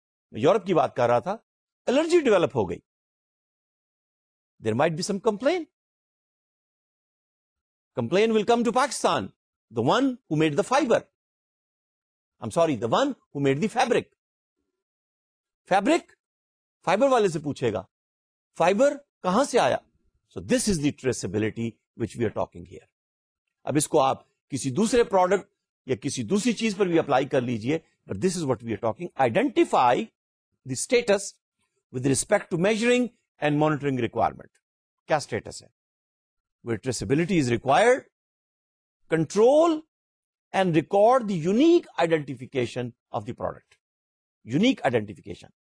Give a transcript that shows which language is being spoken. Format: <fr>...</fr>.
<ur>میں یورپ کی بات کر رہا تھا، الرجی ڈیولپ ہو گئی،</ur> <en>There might be some complain, complain will come to Pakistan, the one who made the fibre, I am sorry, the one who made the fabric.</en> <ur>Fabric fibre والے سے پوچھے گا، فائبر کہاں سے آیا.</ur> <en>So this is the traceability which we are talking here.</en> <ur>اب اس کو آپ کسی دوسرے پروڈکٹ یا کسی دوسری چیز پر بھی اپلائی کر لیجئے،</ur> <en>But this is what we are talking, identify the status with respect to measuring and monitoring requirement.</en> <ur>کیا اسٹیٹس ہے؟</ur> <en>Where traceability is required, control and record the unique identification of the product, unique identification.</en>